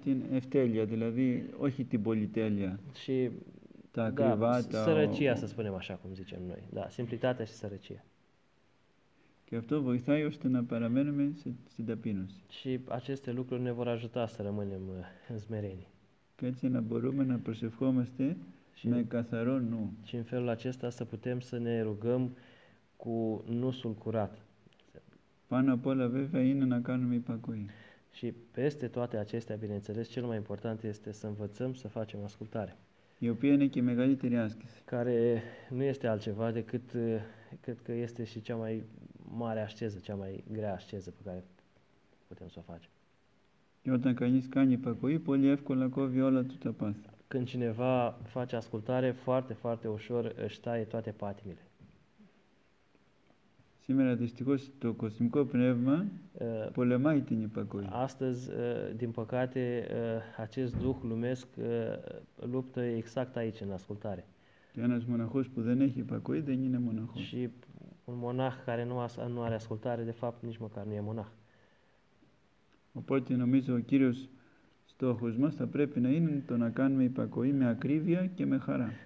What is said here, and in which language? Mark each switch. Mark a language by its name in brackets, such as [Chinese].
[Greek] Την ευτέλεια, δηλαδή όχι την πολυτέλεια. [Romanian] Și [Greek] τα ακριβά, [Romanian] da, σαρακία, să spunem așa cum zicem noi. Da, simplitatea și sărăcia. [Greek] Και αυτό βοηθάει ώστε να παραμένουμε στην ταπείνωση. [Romanian] Și aceste lucruri ne vor ajuta să rămânem în smerenie. [Greek] Και έτσι να μπορούμε να προσευχόμαστε με καθαρό νου. [Romanian] Și în felul acesta să putem să ne rugăm cu nusul curat. [Greek] Πάνω απ' όλα βέβαια είναι να κάνουμε υπακοή. [Romanian] Și peste toate acestea, bineînțeles, cel mai important este să învățăm să facem ascultare. [Greek] Η οποία είναι και η μεγαλύτερη άσκηση. [Romanian] Care nu este altceva decât cred că este și cea mai mare asceză, cea mai grea asceză pe care putem să o facem. [Greek] Και όταν κανείς κάνει υπακοή, πολύ εύκολα κόβει όλα του τα πάθη. [Romanian] Când cineva face ascultare, foarte, foarte ușor își taie toate patimile. [Greek] Σήμερα, δυστυχώς, το κοσμικό πνεύμα πολεμάει την υπακοή. [Romanian] Astăzi, din păcate, acest duh lumesc luptă exact aici, în ascultare. [Greek] Και ένας μοναχός που δεν έχει υπακοή δεν είναι μοναχός. [Romanian] Și un monah care nu are ascultare, de fapt, nici măcar nu e monah. [Greek] Οπότε, νομίζω, ο Κύριος στόχος μας θα πρέπει να είναι το να κάνουμε υπακοή με ακρίβεια και με χαρά.